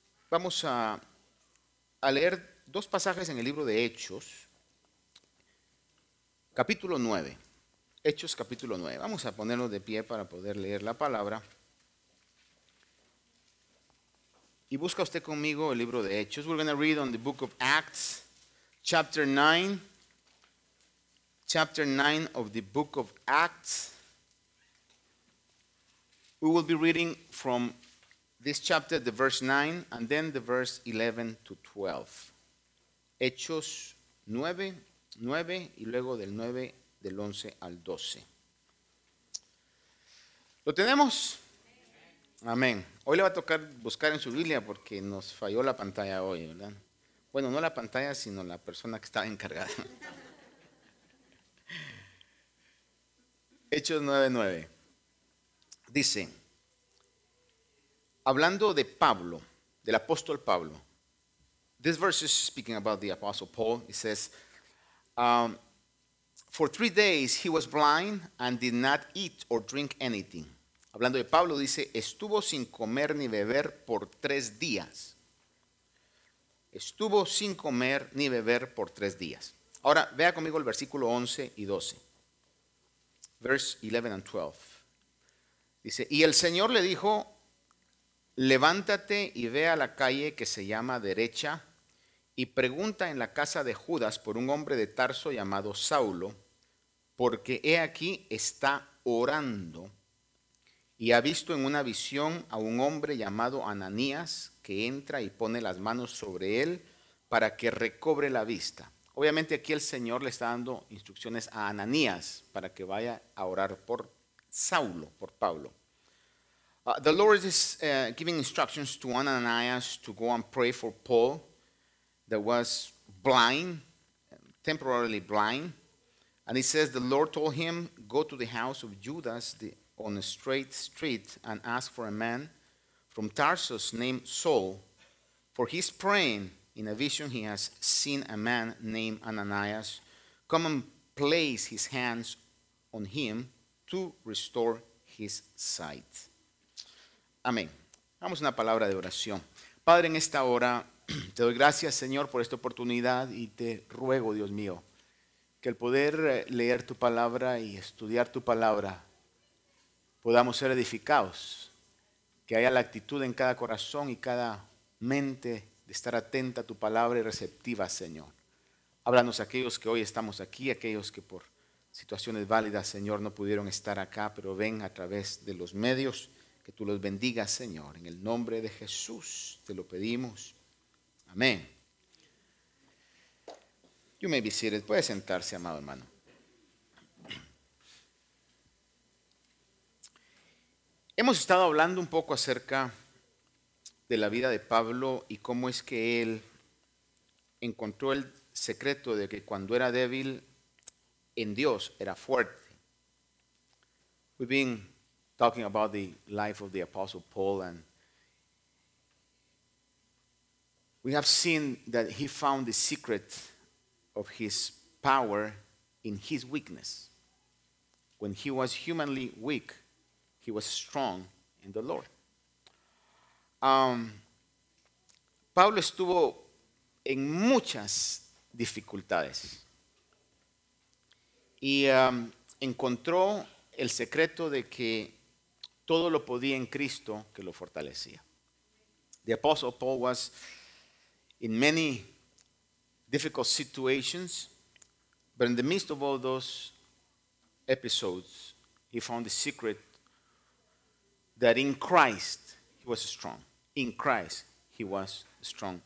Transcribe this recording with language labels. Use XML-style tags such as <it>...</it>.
<es>Vamos a leer dos pasajes en el libro de Hechos, capítulo 9. Hechos capítulo 9. Vamos a ponernos de pie para poder leer la palabra. Y busca usted conmigo el libro de Hechos.</es> <en>We're going to read on the book of Acts, chapter 9. Chapter 9 of the book of Acts. We will be reading from this chapter, the verse 9, and then the verse 11 to 12.</en> <es>Hechos 9, y luego del 9 del 11 al 12. ¿Lo tenemos? Amén. Hoy le va a tocar buscar en su Biblia porque nos falló la pantalla hoy, ¿verdad? Bueno, no la pantalla, sino la persona que estaba encargada. Hechos 9:9. Dice, hablando de Pablo, del apóstol Pablo.</es> <en>This verse is speaking about the apostle Paul. It says, for 3 days he was blind and did not eat or drink anything.</en> <es>Hablando de Pablo, dice, estuvo sin comer ni beber por 3 días. Estuvo sin comer ni beber por 3 días. Ahora, vea conmigo el versículo 11 y 12.</es> <en>Verse 11 and 12.</en> <es>Dice, y el Señor le dijo, levántate y ve a la calle que se llama Derecha y pregunta en la casa de Judas por un hombre de Tarso llamado Saulo, porque he aquí está orando y ha visto en una visión a un hombre llamado Ananías que entra y pone las manos sobre él para que recobre la vista. Obviamente aquí el Señor le está dando instrucciones a Ananías para que vaya a orar por Saulo, por Pablo.</es> <en>The Lord is giving instructions to Ananias to go and pray for Paul that was blind, temporarily blind. And he says the Lord told him, go to the house of Judas on a straight street and ask for a man from Tarsus named Saul, for he's praying. In a vision, he has seen a man named Ananias come and place his hands on him to restore his sight.</en> <es>Amén. Damos una palabra de oración. Padre, en esta hora te doy gracias, Señor, por esta oportunidad y te ruego, Dios mío, que al poder leer tu palabra y estudiar tu palabra podamos ser edificados, que haya la actitud en cada corazón y cada mente de estar atenta a tu palabra y receptiva, Señor. Háblanos a aquellos que hoy estamos aquí, aquellos que por situaciones válidas, Señor, no pudieron estar acá, pero ven a través de los medios, que tú los bendigas, Señor. En el nombre de Jesús te lo pedimos. Amén.</es> <en>You may be seated.</en> <es>Puede sentarse, amado hermano. Hemos estado hablando un poco acerca de la vida de Pablo y cómo es que él encontró el secreto de que cuando era débil en Dios era fuerte.</es> <en>We've been talking about the life of the Apostle Paul and we have seen that he found the secret of his power in his weakness. When he was humanly weak, he was strong in the Lord.</en> <es>Pablo estuvo en muchas dificultades y encontró el secreto de que todo lo podía en Cristo que lo fortalecía.</es> <en>The Apostle Paul was in many difficult situations, but in the midst of all those episodes, he found the secret that in Christ he was strong. In Christ he was strong.</en>